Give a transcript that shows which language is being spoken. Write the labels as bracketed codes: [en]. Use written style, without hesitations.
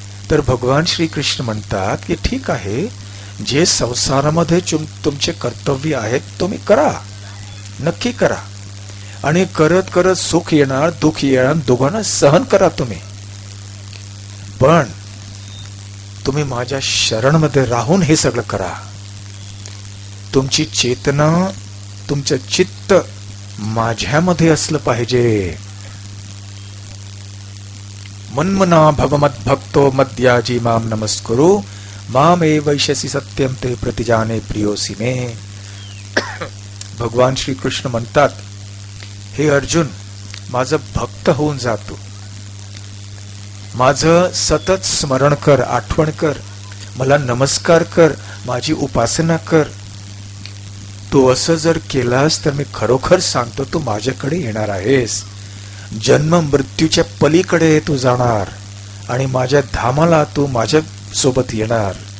[mr] तर भगवान श्री कृष्ण म्हणतात की ठीक आहे, जे संसारामध्ये तुमचे कर्तव्य आहेत तुम्ही करा, नक्की करा, आणि करत करत सुख येणार दुःख येणार दोघांना सहन करा तुम्ही, पण तुम्ही माझ्या शरण मध्ये राहून हे सगळं करा। तुमची चेतना, तुमचं चित्त माझ्यामध्ये असलं पाहिजे। [sa] मन्मना भगमत भक्तो मद्याजी माम नमस्कुरु माम एवैशसि सत्यं ते प्रतिजाने प्रियोसि मे। [mr] भगवान श्री कृष्ण म्हणतात हे अर्जुन, माझं भक्त होऊन जातो, माझं सतत स्मरण कर, आठवण कर, मला नमस्कार कर, माझी उपासना कर। तू असं जर केलास तर मी खरोखर सांगतो तू माझ्याकडे येणार आहेस, जन्म मृत्यूच्या पलीकडे तू जाणार आणि माझ्या धामाला तू माझ्या सोबत येणार।